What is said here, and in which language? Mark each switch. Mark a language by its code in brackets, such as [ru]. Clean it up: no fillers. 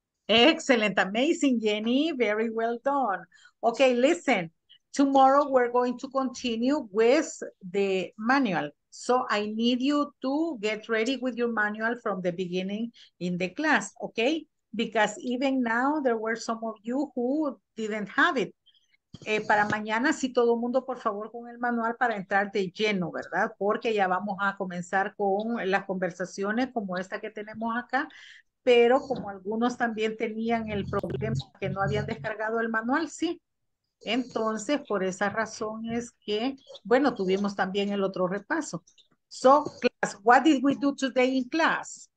[en] Excellent, amazing, Jenny. Very well done. Okay, listen. Tomorrow we're going to continue with the manual. So I need you to get ready with your manual from the beginning in the class, okay? Because even now there were some of you who didn't have it. [es] Para mañana, sí, todo mundo, por favor, con el manual para entrar de lleno, ¿verdad? Porque ya vamos a comenzar con las conversaciones como esta que tenemos acá. Pero como algunos también tenían el problema que no habían descargado el manual, sí. Entonces, por esa razón es que, bueno, tuvimos también el otro repaso. [en] So, class, what did we do today in class?